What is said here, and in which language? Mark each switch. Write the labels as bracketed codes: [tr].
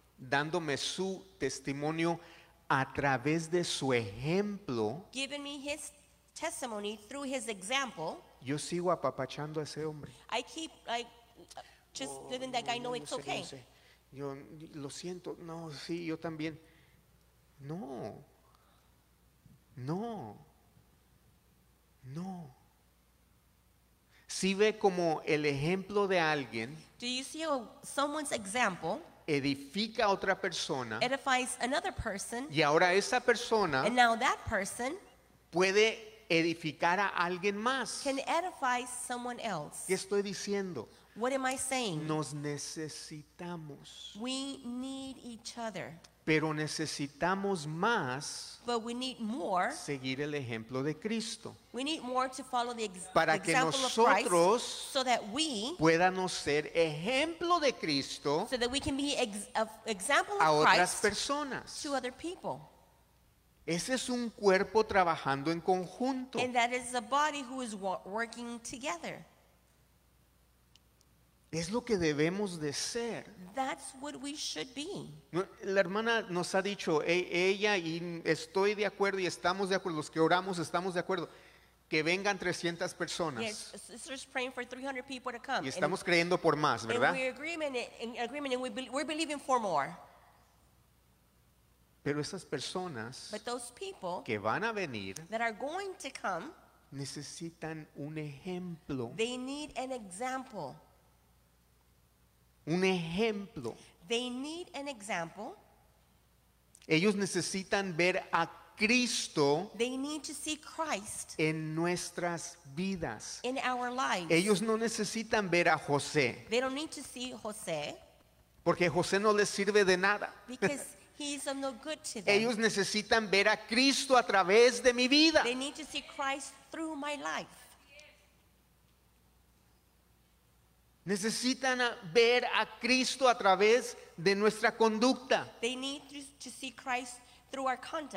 [es] Dándome su testimonio a través de su ejemplo, [en] giving me his testimony through his example, [es] yo sigo apapachando a ese hombre. [en] I keep like just letting that guy know it's okay. [es] No sé. Yo lo siento, no, sí, yo también. No. Si ve como el ejemplo de alguien, [en] do you see someone's example, [es] edifica a otra persona, [en] edifies another person, [es] y ahora esa persona, [en] and now that person, [es] puede edificar a alguien más. [en] Can edify someone else. [es] ¿Qué estoy diciendo? [en] What am I saying? [es] Nos necesitamos. [en] We need each other. [es] Pero necesitamos más, [en] but we need more, [es] seguir el ejemplo de Cristo. [en] We need more to follow the [es] para que nosotros [en] of Christ, so that we, [es] puedamos ser ejemplo de Cristo, [en] so that we can be example [es] a [en] of Christ [es] otras personas. [en] To other people. [es] Ese es un cuerpo trabajando en conjunto. [en] And that is a body who is working together. [es] Es lo que debemos de ser. [en] That's what we should be. [es] La hermana nos ha dicho, ella y estoy de acuerdo y estamos de acuerdo, los que oramos estamos de acuerdo, que vengan 300 personas. [en] Yes, sisters praying for 300 people to come. [es] Y estamos creyendo por más, ¿verdad? [en] And we're agreement and we're believing for more. [es] Pero esas personas, [en] but those people [es] que van a venir, [en] that are going to come, [es] necesitan un ejemplo. [en] They need an example. [es] Un ejemplo. [en] They need an example. [es] Ellos necesitan ver a Cristo. [en] They need to see Christ [es] en nuestras vidas. [en] In our lives. [es] Ellos no necesitan ver a José. [en] They don't need to see José. [es] Porque José no les sirve de nada. [en] Because he's of no good to them. [es] Ellos necesitan ver a Cristo a través de mi vida. [en] They need to see Christ through my life. [es] Necesitan ver a Cristo a través de nuestra conducta. [en] They need to see Christ through our conduct.